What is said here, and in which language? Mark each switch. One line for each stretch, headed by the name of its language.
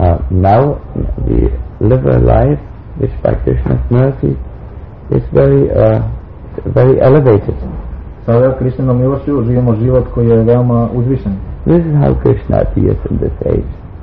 English: Now we live a life which by Krishna's mercy is very very elevated.
Serbian: Sada Krishna milošću živimo život koji je veoma uzvišen.
English: This is how Krishna appears in this age.